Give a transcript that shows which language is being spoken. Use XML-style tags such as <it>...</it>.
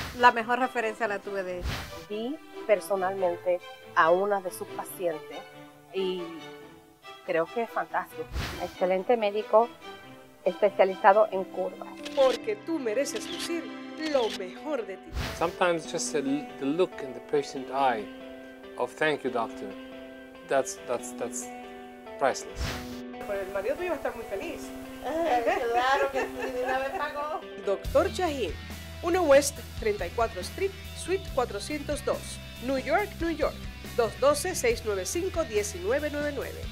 <es>La mejor referencia la tuve de él. Vi personalmente a una de sus pacientes y creo que es fantástico. Excelente médico. Especializado en curvas. Porque tú mereces lucir lo mejor de ti.</es> <en>Sometimes just the look in the patient's eye of thank you doctor, that's priceless.</en> <es>Pero el marido tuyo va a estar muy feliz. Claro que sí, de una vez pagó.</es> <en>Doctor Shaheen, 1 West 34 Street, Suite 402, New York, New York, 212-695-1999.</en>